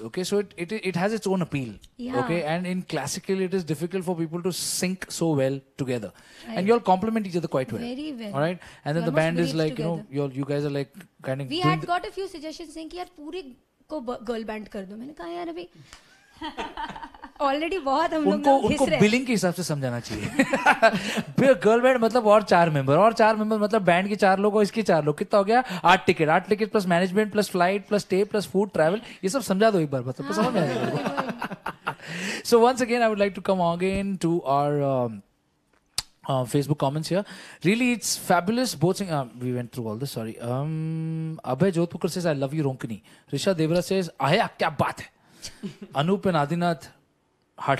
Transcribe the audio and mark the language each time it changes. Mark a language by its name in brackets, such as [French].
[English] Okay, so it has its own appeal. Yeah. Okay, and in classical, it is difficult for people to sync so well together. Right. And y'all complement each other quite well. Very well. All right, and then the band is like together. You know, you guys are like kind of. We had got a few suggestions saying, [Hindi] "Yar, puri ko girl band kar do." [English] I said, "Yar, abhi." [Hindi] Already बहुत हम लोग उनको billing के हिसाब से समझाना चाहिए. Girl band मतलब और चार member मतलब band के चार लोग और इसके चार लोग कितना हो गया? आठ ticket plus management plus flight plus stay plus food travel ये सब समझा दो एक बार मतलब समझ में आएगा. [English] So once again, I would like to come again to our Facebook comments here. Really, it's fabulous. Both saying, we went through all this, sorry. Abhay Jodhpukar says, I love you, Ronkini. Risha Devra says, [Hindi] Aya, kya baat hai? [English] Anup and Adinath, heart.